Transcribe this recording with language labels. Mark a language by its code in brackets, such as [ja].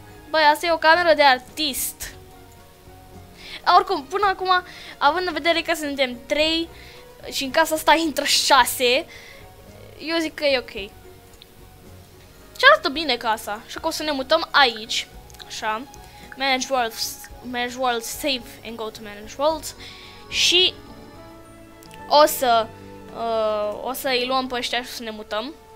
[ro] Băi, asta e o cameră de artist. Oricum, până acum, având în vedere că suntem 3 și în casa asta intră 6, eu zic că e ok. Și arată bine casa. Și că o să ne mutăm aici. Așa. [en] manage worlds, manage worlds, save and go to manage worlds. [ro] Și o să o să îi luăm pe ăștia și să ne mutăm.